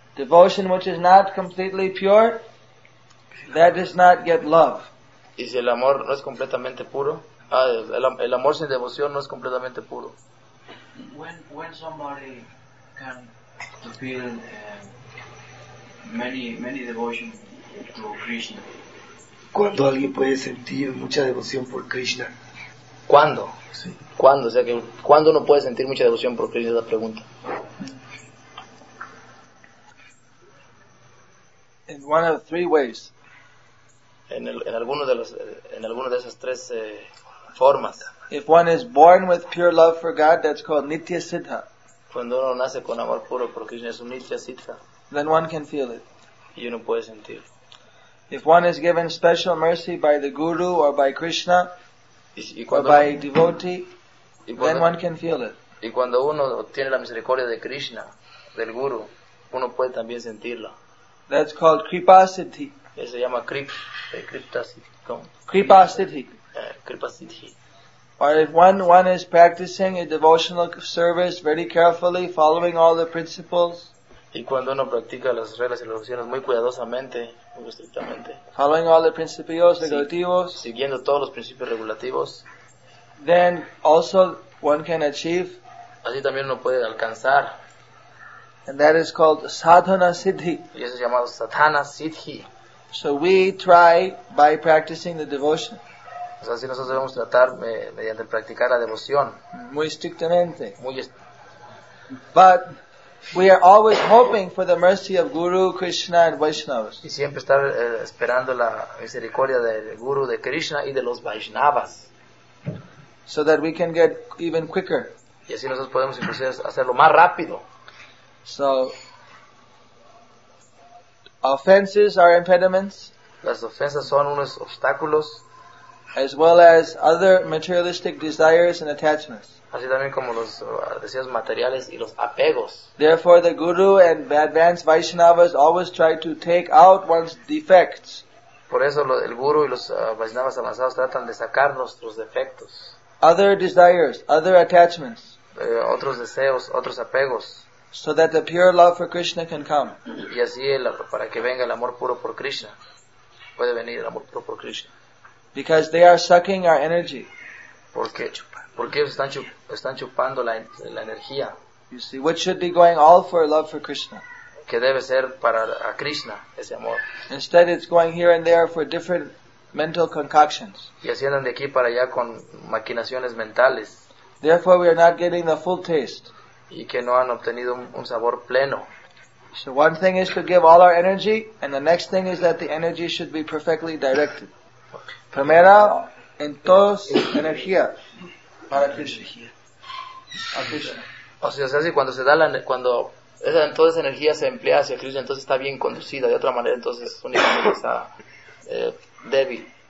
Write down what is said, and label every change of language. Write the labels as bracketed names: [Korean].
[English] Devotion which is not completely pure, that does not get love. [Spanish] Y si el amor no es completamente puro, el amor sin devoción no es completamente puro. [English] When somebody can feel many devotion to Krishna. [Spanish] ¿Cuándo alguien puede sentir mucha devoción por Krishna? ¿Cuándo? Sí. ¿Cuándo? O sea, que ¿cuándo uno puede sentir mucha devoción por Krishna? Es la pregunta. [English] In one of three ways. [Spanish] En alguno de esas tres formas. [English] If one is born with pure love for God, that's called Nitya Siddha. [Spanish] Cuando uno nace con amor puro por Krishna es un Nitya Siddha. [English] then one can feel it. [Spanish] Y uno puede sentir. [English] If one is given special mercy by the Guru or by Krishna, [Spanish] y cuando, [English] or by a devotee, [Spanish] cuando, [English] then one can feel it. [Spanish] Y cuando uno obtiene la misericordia de Krishna, del Guru, uno puede también sentirla. [English] That's called kripasiddhi. [Spanish] Eso se llama kripasiddhi. Kripasiddhi. Kripasiddhi. [English] Or if one is practicing a devotional service very carefully, following all the principles. [Spanish] Y cuando uno practica las reglas y las oraciones muy cuidadosamente, muy estrictamente. [English] Following all the [Spanish] principios regulativos. Siguiendo todos los principios regulativos. [English] Then also one can achieve. [Spanish] Así también uno puede alcanzar. [English] And that is called sadhana siddhi. [Spanish] Y eso es llamado sadhana siddhi. [English] So we try by practicing the devotion. [Spanish] O sea, así nosotros debemos tratar mediante practicar la devoción. Muy estrictamente. Muy [English] But we are always hoping for the mercy of Guru, Krishna and Vaishnavas. [Spanish] Y siempre estar esperando la misericordia del Guru, de Krishna y de los Vaishnavas. [English] So that we can get even quicker. [Spanish] Y así nosotros podemos inclusive hacerlo más rápido. [English] So, offenses are impediments. [Spanish] Las ofensas son unos obstáculos. [English] As well as other materialistic desires and attachments. [Spanish] Así también como los deseos materiales y los apegos. [English] Therefore, the Guru and advanced Vaishnavas always try to take out one's defects. [Spanish] Por eso el Guru y los Vaishnavas avanzados tratan de sacar nuestros defectos. [English] Other desires, other attachments. [Spanish] Otros deseos, otros apegos. [English] So that the pure love for Krishna can come. [Spanish] Y así para que venga el amor puro por Krishna. Puede venir el amor puro por Krishna. [English] Because they are sucking our energy. [Spanish] Porque están chupando la energía. [English] You see, what should be going all for love for Krishna? [Spanish] Que debe ser para a Krishna ese amor. [English] Instead, it's going here and there for different mental concoctions. [Spanish] Y así andan de aquí para allá con maquinaciones mentales. [English] Therefore, we are not getting the full taste. [Spanish] Y que no han obtenido un sabor pleno. [English] So one thing is to give all our energy, and the next thing is that the energy should be perfectly directed. [Spanish] Primera, en todos, energía para Krishna. O sea, cuando se da cuando esa, toda esa energía se emplea hacia Krishna, entonces está bien conducida, de otra manera, entonces únicamente está débil.